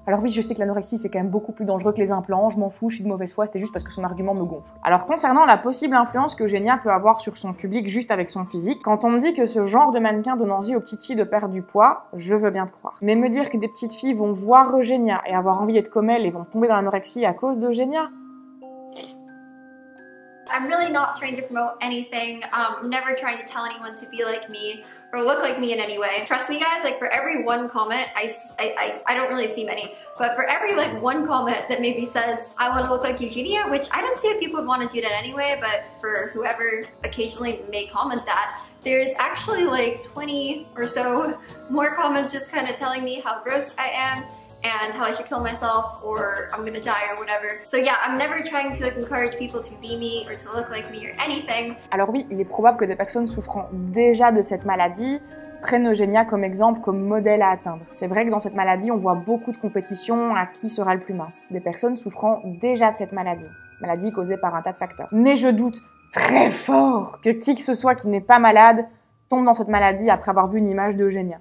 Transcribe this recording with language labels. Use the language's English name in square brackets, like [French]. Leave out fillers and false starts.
[French] Alors oui, je sais que l'anorexie, c'est quand même beaucoup plus dangereux que les implants, je m'en fous, je suis de mauvaise foi, c'était juste parce que son argument me gonfle. Alors concernant la possible influence que Eugenia peut avoir sur son public juste avec son physique, quand on me dit que ce genre de mannequin donne envie aux petites filles de perdre du poids, je veux bien te croire. Mais me dire que des petites filles vont voir Eugenia et avoir envie d'être comme elle et vont tomber dans l'anorexie à cause d'Eugenia... [English] I'm really not trying to promote anything, never trying to tell anyone to be like me. Or look like me in any way. Trust me guys, like for every one comment, I don't really see many, but for every like one comment that maybe says, I want to look like Eugenia, which I don't see if people would want to do that anyway, but for whoever occasionally may comment that, there's actually like 20 or so more comments just kind of telling me how gross I am and how I should kill myself or I'm gonna die or whatever. So yeah, I'm never trying to like encourage people to be me or to look like me or anything. [French] Alors oui, il est probable que des personnes souffrant déjà de cette maladie prennent Eugenia comme exemple, comme modèle à atteindre. C'est vrai que dans cette maladie, on voit beaucoup de compétition à qui sera le plus mince. Des personnes souffrant déjà de cette maladie. Maladie causée par un tas de facteurs. Mais je doute très fort que ce soit qui n'est pas malade tombe dans cette maladie après avoir vu une image d'Eugenia.